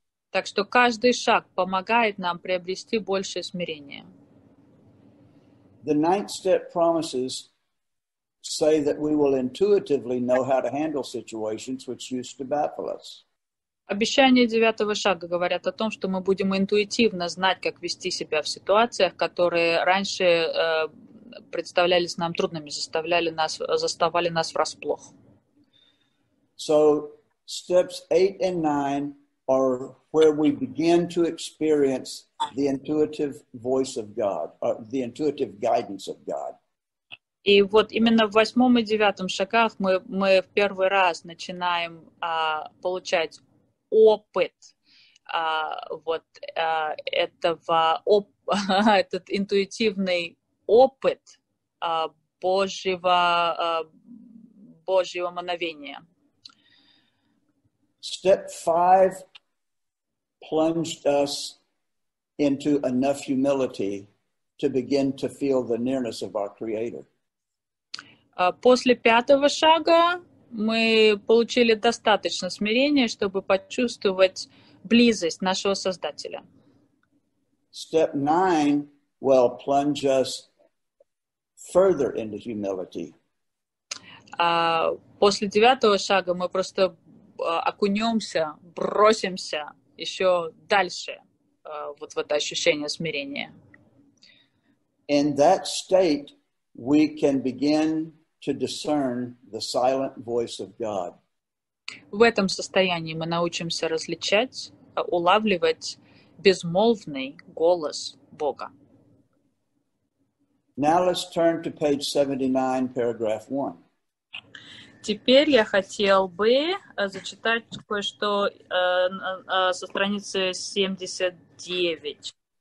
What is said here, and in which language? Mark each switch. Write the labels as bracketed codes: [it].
[ru] Так что каждый шаг помогает нам приобрести большее смирение. [en] The ninth step promises say that we will intuitively know how to handle situations which used to baffle us. [ru] Обещания девятого шага говорят о том, что мы будем интуитивно знать, как вести себя в ситуациях, которые раньше представлялись нам трудными, заставали нас врасплох. [en] So steps 8 and 9 are where we begin to experience the intuitive voice of God, the intuitive guidance of God. [ru] И вот именно в восьмом и девятом шагах мы в первый раз начинаем получать опыт этот интуитивный опыт Божьего мановения. [en] Step 5 plunged us into enough humility to begin to feel the nearness of our Creator. [ru] После пятого шага мы получили достаточно смирения, чтобы почувствовать близость нашего Создателя. [en] Step 9 will plunge us further into humility. [ru] После девятого шага мы просто окунемся, бросимся еще дальше вот в это ощущение смирения. [en] In that state we can begin to discern the silent voice of God. [ru] В этом состоянии мы научимся различать, улавливать безмолвный голос Бога. [en] Now let's turn to page 79, paragraph 1. [ru] Теперь я хотел бы зачитать кое-что со страницы 79.